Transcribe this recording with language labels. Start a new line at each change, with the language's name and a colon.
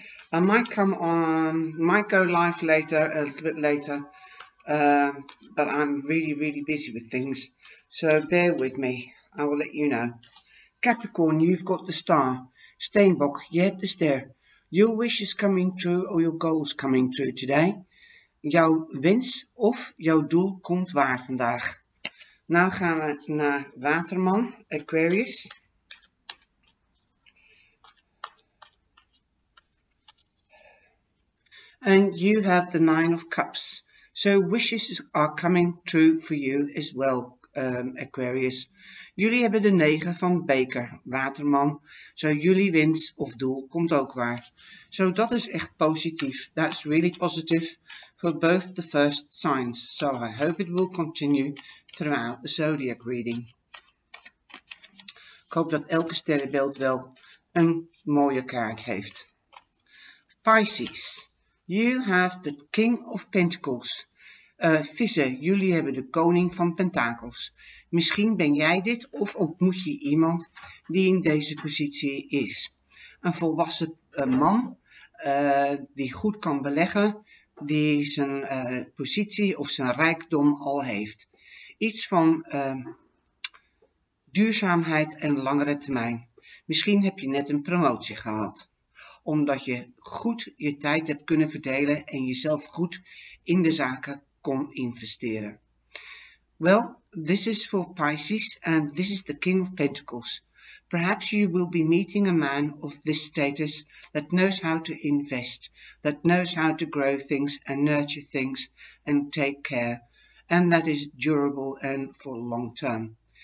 English: I might come on, might go live later, a little bit later, but I'm really, really busy with things. So bear with me. I will let you know. Capricorn, you've got the star. Stainbock, you have the stair. Your wish is coming true, or your goals coming true today.
Dutch: Jouw wens of jouw doel komt waar vandaag. Nou gaan we naar Waterman, Aquarius.
English: And you have the Nine of Cups. So wishes are coming true for you as well. Aquarius.
Dutch: Jullie hebben de 9 van Beker, Waterman. So jullie wens of doel komt ook waar. So dat is echt positief.
English: That's really positive for both the first signs. So I hope it will continue throughout the zodiac reading.
Dutch: Ik hoop dat elke sterrenbeeld wel een mooie kaart heeft. Pisces.
English: You have the King of Pentacles.
Dutch: Vissen, jullie hebben de koning van pentakels. Misschien ben jij dit of ontmoet je iemand die in deze positie is. Een volwassen man die goed kan beleggen, die zijn positie of zijn rijkdom al heeft. Iets van duurzaamheid en langere termijn. Misschien heb je net een promotie gehad. Omdat je goed je tijd hebt kunnen verdelen en jezelf goed in de zaken kon investeren.
English: Well, this is for Pisces and this is the King of Pentacles. Perhaps you will be meeting a man of this status that knows how to invest, that knows how to grow things and nurture things and take care, and that is durable and for long term.